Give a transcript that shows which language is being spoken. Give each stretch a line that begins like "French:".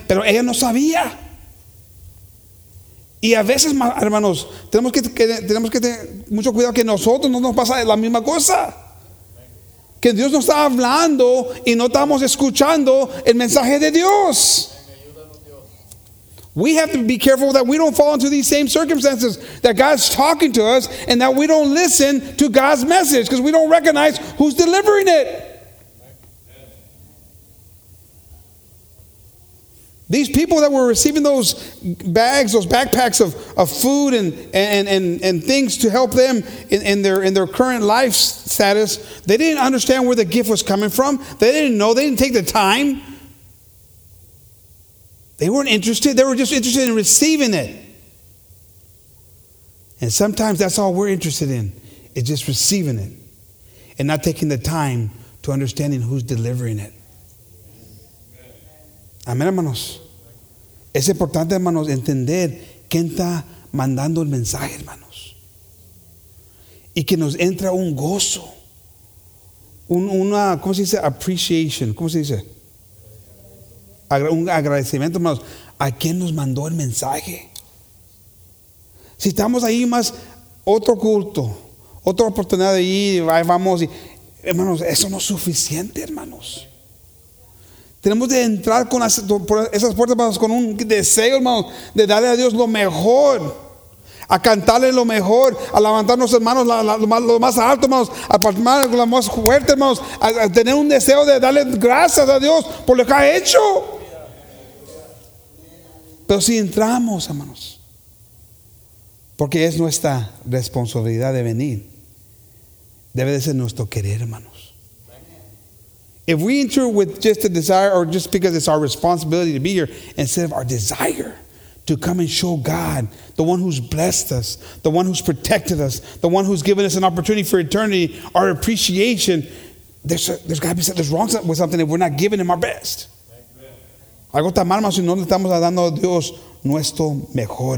Spanish: Pero ella no sabía. Y a veces, hermanos, tenemos que tener mucho cuidado que nosotros no nos pasa la misma cosa. Que Dios nos está hablando y no estamos escuchando el mensaje de Dios.
English: We have to be careful that we don't fall into these same circumstances, that God's talking to us and that we don't listen to God's message because we don't recognize who's delivering it. These people that were receiving those bags, those backpacks of food and things to help them in their current life status, they didn't understand where the gift was coming from. They didn't know. They didn't take the time. They weren't interested. They were just interested in receiving it. And sometimes that's all we're interested in, is just receiving it and not taking the time to understanding who's delivering it.
Spanish: Amén, hermanos. Es importante, hermanos, entender quién está mandando el mensaje, hermanos. Y que nos entra un gozo. ¿Cómo se dice? Appreciation. ¿Cómo se dice? Un agradecimiento, hermanos, a quien nos mandó el mensaje. Si estamos ahí más, otro culto, otra oportunidad de ir, ahí vamos. Y, hermanos, eso no es suficiente, hermanos. Tenemos de entrar por esas puertas, hermanos, con un deseo, hermanos, de darle a Dios lo mejor, a cantarle lo mejor, a levantar nuestras manos lo más alto, hermanos, a palmar lo más fuerte, hermanos, a tener un deseo de darle gracias a Dios por lo que ha hecho. Pero si entramos, hermanos, porque es nuestra responsabilidad de venir, debe de ser nuestro querer, hermanos. If we enter with just a desire or just because it's our responsibility to be here instead of our desire to come and show God, the one who's blessed us, the one who's protected us, the one who's given us an opportunity for eternity, our appreciation, there's got to be something wrong with something if we're not giving him our best. Algo está mal, si no le estamos dando a Dios nuestro mejor.